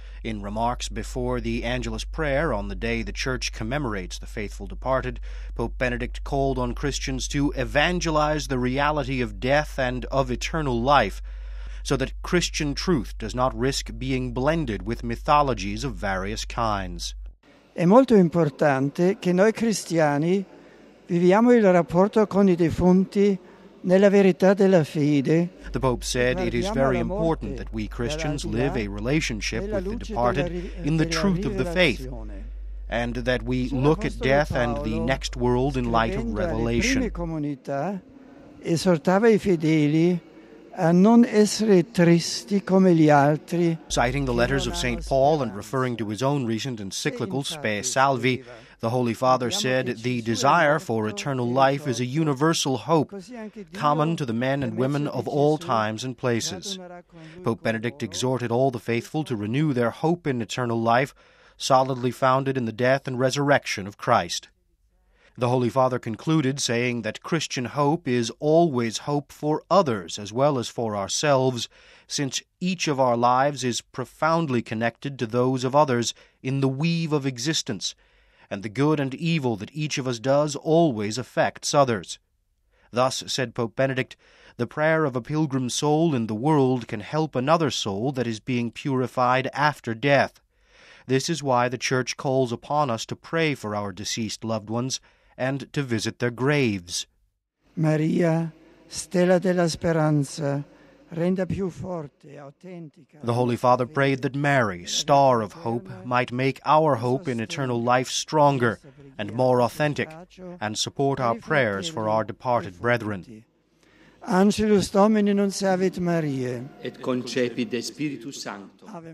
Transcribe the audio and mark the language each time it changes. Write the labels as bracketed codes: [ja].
[en] In remarks before the Angelus prayer on the day the Church commemorates the faithful departed, Pope Benedict called on Christians to evangelize the reality of death and of eternal life, so that Christian truth does not risk being blended with mythologies of various kinds. [it] È molto importante che noi cristiani viviamo il rapporto con I defunti nella verità della fede. [en] The Pope said it is very important that we Christians live a relationship with the departed in the truth of the faith, and that we look at death and the next world in light of revelation. [it] Alle prime comunità esortava I fedeli a non essere tristi come gli altri. [en] Citing the letters of St. Paul and referring to his own recent encyclical Spe Salvi, the Holy Father said, "The desire for eternal life is a universal hope, common to the men and women of all times and places." Pope Benedict exhorted all the faithful to renew their hope in eternal life, solidly founded in the death and resurrection of Christ. The Holy Father concluded, saying that Christian hope is always hope for others as well as for ourselves, since each of our lives is profoundly connected to those of others in the weave of existence, and the good and evil that each of us does always affects others. Thus, said Pope Benedict, the prayer of a pilgrim soul in the world can help another soul that is being purified after death. This is why the Church calls upon us to pray for our deceased loved ones and to visit their graves. [it] Maria, stella della speranza, renda più forte, autentica. [en] The Holy Father prayed that Mary, star of hope, might make our hope in eternal life stronger and more authentic, and support our prayers for our departed brethren. [la] Angelus Domini nun servit Maria. Et concepit Spiritu Sancto.